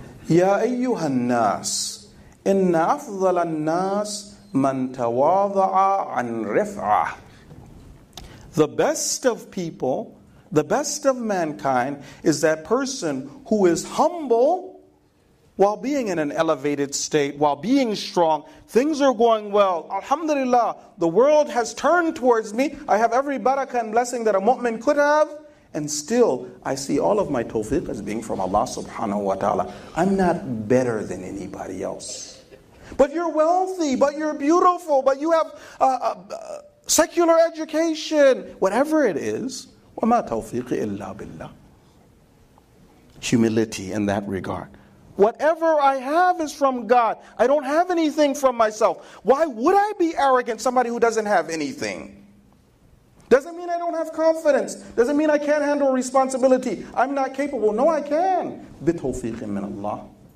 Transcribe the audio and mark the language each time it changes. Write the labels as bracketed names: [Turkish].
[Arabic] يا أيها الناس إن أفضل الناس من تواضع عن رفعة. [English] The best of people, the best of mankind, is that person who is humble while being in an elevated state, while being strong. Things are going well. Alhamdulillah, the world has turned towards me. I have every barakah and blessing that a mu'min could have. And still, I see all of my tawfiq as being from Allah subhanahu wa ta'ala. I'm not better than anybody else. But you're wealthy, but you're beautiful, but you have secular education. Whatever it is, [Arabic] وَمَا تَوْفِيقِ إِلَّا بِاللَّهِ. [English] Humility in that regard. Whatever I have is from God. I don't have anything from myself. Why would I be arrogant, somebody who doesn't have anything? Doesn't mean I don't have confidence. Doesn't mean I can't handle responsibility. I'm not capable. No, I can. [Arabic] بِتَوْفِيقٍ مِّنَ اللَّهِ.